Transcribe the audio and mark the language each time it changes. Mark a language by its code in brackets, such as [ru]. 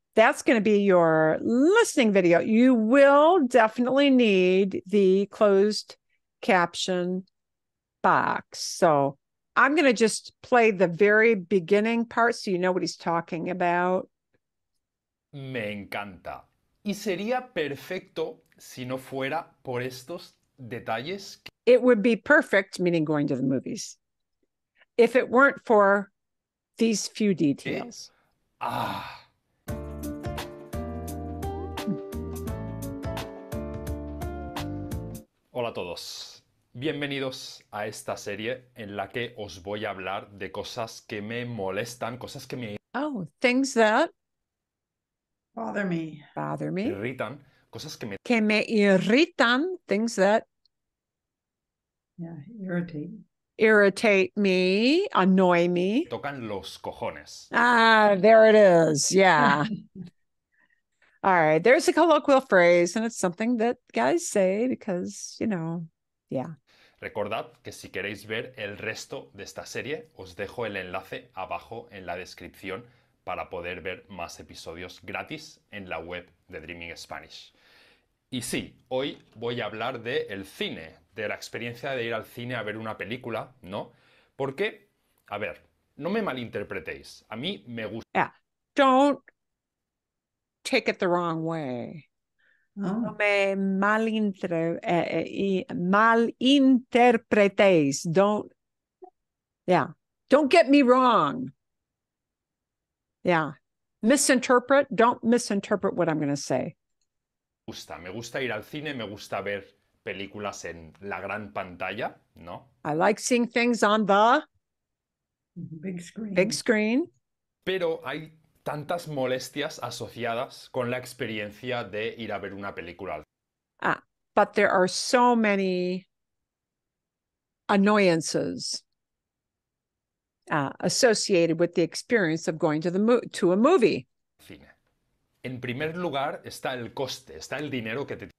[en] That's going to be your listening video. You will definitely need the closed caption box. So I'm going to just play the very beginning part so you know what he's talking about. [es] Me encanta. Y sería perfecto si no fuera por estos detalles. [en] It would be perfect, meaning going to the movies, if it weren't for these few details. [es] Hola a todos. Bienvenidos a esta serie en la que os voy a hablar de cosas que me molestan, cosas que me... [en] Oh, things that... Bother me. [es] Irritan. Cosas que me... Que me irritan. [en] Things that... Yeah, irritate. irritate me, annoy me. [es] Tocan los cojones. [en] Ah, there it is. Yeah. All right. There's a colloquial phrase, and it's something that guys say because, you know, yeah. [es] Recordad que si queréis ver el resto de esta serie, os dejo el enlace abajo en la descripción para poder ver más episodios gratis en la web de Dreaming Spanish. Y sí, hoy voy a hablar del cine, de la experiencia de ir al cine a ver una película, ¿no? Porque, a ver, no me malinterpretéis. A mí me gusta... [en] Yeah, don't take it the wrong way. [es] No me malinterpretéis. [en] Don't, yeah, don't get me wrong. Yeah, misinterpret, don't misinterpret what I'm going to say. [es] Me gusta ir al cine, me gusta ver películas en la gran pantalla, ¿no? [en] I like seeing things on the big screen. [es] Pero hay tantas molestias asociadas con la experiencia de ir a ver una película. [en] Ah, but there are so many annoyances associated with the experience of going to a movie. [es] Cine. En primer lugar está el coste, está el dinero que te...